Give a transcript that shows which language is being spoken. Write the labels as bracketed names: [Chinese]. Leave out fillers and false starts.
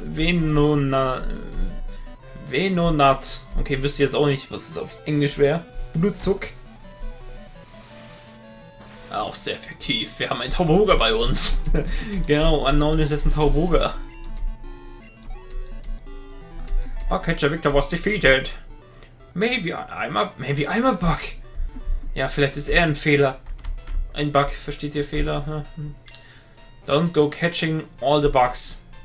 [English] Venonat. [German] Okay, wisst ihr jetzt auch nicht, was es auf Englisch wäre. Blutzuck. Auch sehr effektiv. Wir haben einen Tauboga bei uns. Genau, Unknown ist jetzt ein Tauboga. [English] Bugcatcher Victor was defeated. Maybe I'm a bug. [German] Ja, vielleicht ist er ein Fehler. Ein Bug, versteht ihr Fehler? [English] Don't go catching all the bugs.